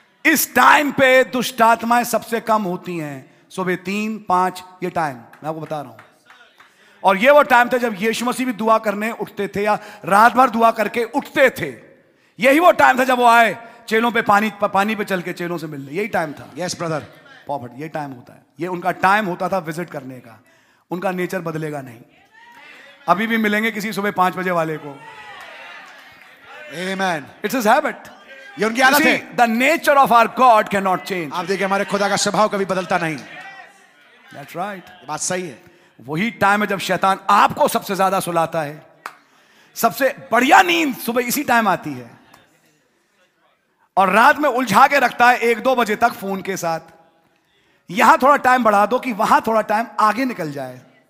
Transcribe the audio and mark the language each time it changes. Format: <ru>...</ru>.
<hi>इस टाइम पे दुष्ट आत्माएं सबसे कम होती हैं, सुबह 3-5 ये टाइम मैं आपको बता रहा हूं, और ये वो टाइम था जब यीशु मसीह भी दुआ करने उठते थे या रात भर दुआ करके उठते थे, यही वो टाइम था जब वो आए चेलों पे पानी पे चल के चेलों से मिलने, यही टाइम था।</hi> <en>yes brother,</en> <hi>प्रॉफिट ये टाइम होता है, ये उनका टाइम होता था विजिट करने का, उनका नेचर बदलेगा नहीं, अभी भी मिलेंगे किसी सुबह 5 बजे वाले को।</hi> <en>Amen. It's his habit.</en> <hi>ये उनकी आदत है।</hi> <en>The nature of our God cannot change.</en> <hi>आप देखिए हमारे खुदा का स्वभाव कभी बदलता नहीं।</hi> <en>That's right.</en> <hi>ये बात सही है। वही टाइम है जब शैतान आपको सबसे ज्यादा सुलाता है, सबसे बढ़िया नींद सुबह इसी टाइम आती है, और रात में उलझा के रखता है 1-2 बजे तक फोन के साथ, यहां थोड़ा टाइम बढ़ा दो कि वहां थोड़ा टाइम आगे निकल जाए।</hi>